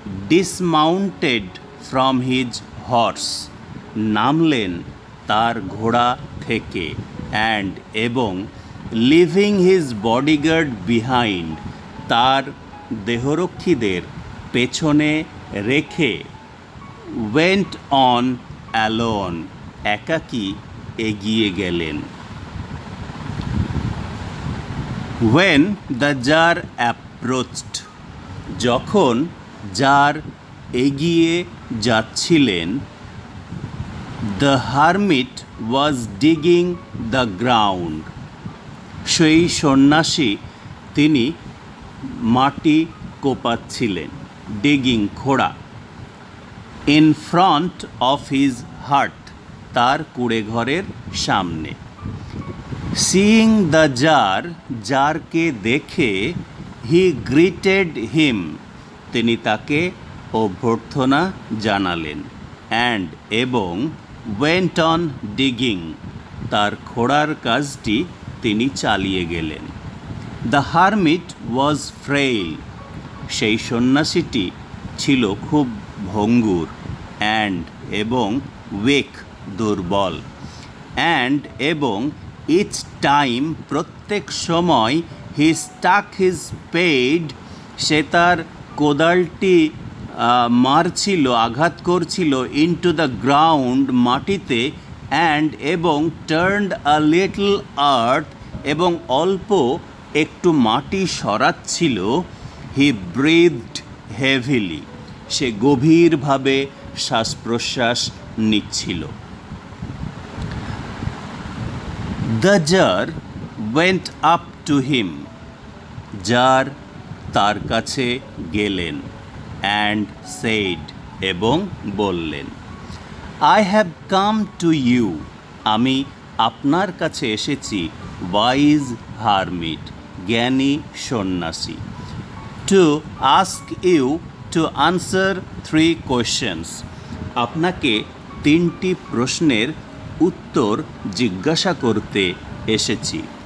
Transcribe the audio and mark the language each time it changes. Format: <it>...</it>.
<en>Dismounted from his horse, নামলেন তার ঘোড়া থেকে, অ্যান্ড এবং লিভিং হিজ বডিগার্ড বিহাইন্ড, তার দেহরক্ষীদের পেছনে রেখে, ওয়েন্ট অন অ্যালোন, একাকী এগিয়ে গেলেন। When the jar approached, যখন জার এগিয়ে যাচ্ছিলেন, the hermit was digging the ground, সেই সন্ন্যাসী তিনি মাটি কোপাচ্ছিলেন, digging খোঁড়া, in front of his hut, তার কুঁড়ে ঘরের সামনে।</en> <bn>Seeing the jar, জারকে দেখে, he greeted him, তিনি তাকে অভ্যর্থনা জানালেন, and এবং went on digging, তার খোঁড়ার কাজটি তিনি চালিয়ে গেলেন।</bn> <en>The hermit was frail, সেই সন্ন্যাসীটি ছিল খুব ভঙ্গুর, and এবং weak, দুর্বল, and এবং ইচ টাইম, প্রত্যেক সময়, হি স্টাক হিজ স্পেড, সে তার কোদালটি</en> <bn>মারছিল, আঘাত করছিল, ইন টু দ্য গ্রাউন্ড, মাটিতে, অ্যান্ড এবং টার্নড আ লিটল আর্থ, এবং অল্প একটু মাটি সরাচ্ছিল। হি ব্রিথড হেভিলি, সে গভীরভাবে শ্বাস প্রশ্বাস নিচ্ছিল।</bn> <en>The jar went up to him. Jar</en> <bn>তার কাছে গেলেন অ্যান্ড সেড এবং বললেন I have come to you আমি আপনার কাছে এসেছি ওয়াইজ হারমিট জ্ঞানী সন্ন্যাসী to ask you two answer three questions আপনাকে তিনটি প্রশ্নের উত্তর জিজ্ঞাসা করতে এসেছি</bn>